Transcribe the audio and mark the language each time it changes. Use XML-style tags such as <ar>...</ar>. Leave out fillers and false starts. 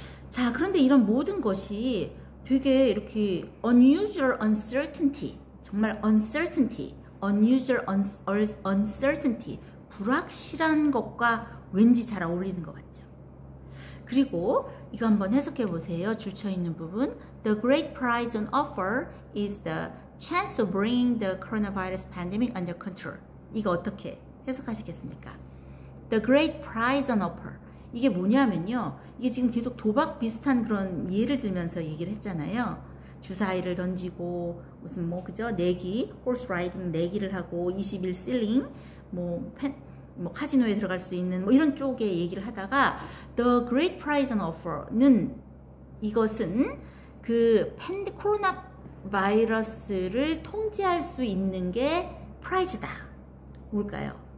<ko>자, 그런데 이런 모든 것이 되게 이렇게</ko> <en>unusual uncertainty,</en> <ko>정말 uncertainty, unusual uncertainty, 불확실한 것과 왠지 잘 어울리는 것 같죠. 그리고 이거 한번 해석해 보세요. 줄쳐 있는 부분.</ko> <en>The great prize on offer is the chance of bringing the coronavirus pandemic under control.</en> <ko>이거 어떻게 해석하시겠습니까?</ko> <en>The great prize on offer.</en> <ko>이게 뭐냐면요. 이게 지금 계속 도박 비슷한 그런 예를 들면서 얘기를 했잖아요. 주사위를 던지고 무슨 뭐 그죠? 내기, 호스 라이딩 내기를 하고 21 실링 뭐 카지노에 들어갈 수 있는 뭐 이런 쪽에 얘기를 하다가</ko> <en>The Great Prize on Offer</en> <ko>는 이것은 그 코로나 바이러스를 통제할 수 있는 게 프라이즈다. 뭘까요?</ko>